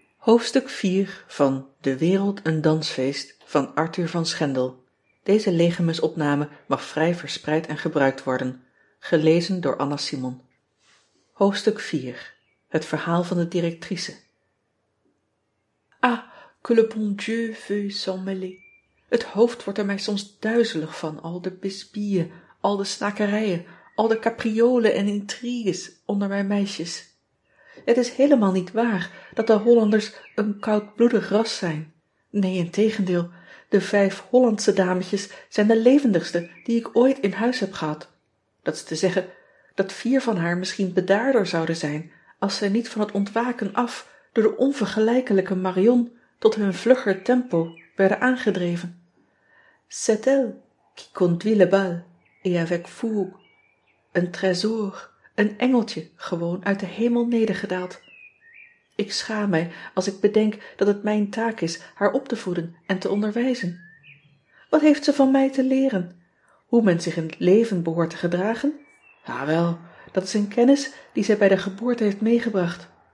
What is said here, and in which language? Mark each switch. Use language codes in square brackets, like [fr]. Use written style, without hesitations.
[nl] Hoofdstuk 4 van De Wereld een Dansfeest van Arthur van Schendel. Deze legemesopname mag vrij verspreid en gebruikt worden. Gelezen door Anna Simon. Hoofdstuk 4. Het verhaal van de directrice. [fr] Ah, que le bon Dieu veuille s'en mêler. [nl] Het hoofd wordt er mij soms duizelig van, al de bisbieën, al de snakerijen, al de capriolen en intrigues onder mijn meisjes. Het is helemaal niet waar dat de Hollanders een koudbloedig ras zijn. Nee, integendeel, de vijf Hollandse dametjes zijn de levendigste die ik ooit in huis heb gehad. Dat is te zeggen dat vier van haar misschien bedaarder zouden zijn als ze niet van het ontwaken af door de onvergelijkelijke Marion tot hun vlugger tempo werden aangedreven. [fr] C'est elle qui conduit le bal et avec fougue, un trésor. [nl] Een engeltje gewoon uit de hemel nedergedaald. Ik schaam mij als ik bedenk dat het mijn taak is haar op te voeden en te onderwijzen. Wat heeft ze van mij te leren? Hoe men zich in het leven behoort te gedragen? Jawel, dat is een kennis die zij bij de geboorte heeft meegebracht.